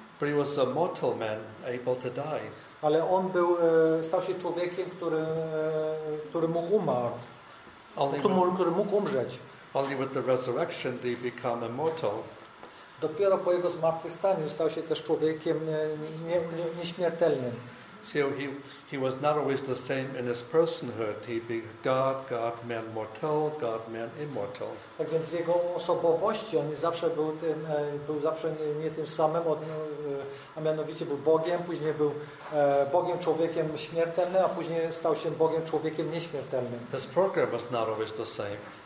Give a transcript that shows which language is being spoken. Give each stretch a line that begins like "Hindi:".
English: But he was a mortal man able to die.
Polish: Ale on był stał się człowiekiem, który mógł umarł. Który mógł umrzeć.
English: Only with the resurrection did he become immortal.
Polish: Dopiero po jego zmartwychwstaniu stał się też człowiekiem nieśmiertelnym.
English: So he was not always the same in his personhood. He became God man mortal, God man immortal.
Polish: Tak więc w jego osobowości on zawsze był nie tym samym, a mianowicie był Bogiem, później był Bogiem człowiekiem śmiertelnym, a później stał się Bogiem człowiekiem nieśmiertelnym.
English: His program was not always the same.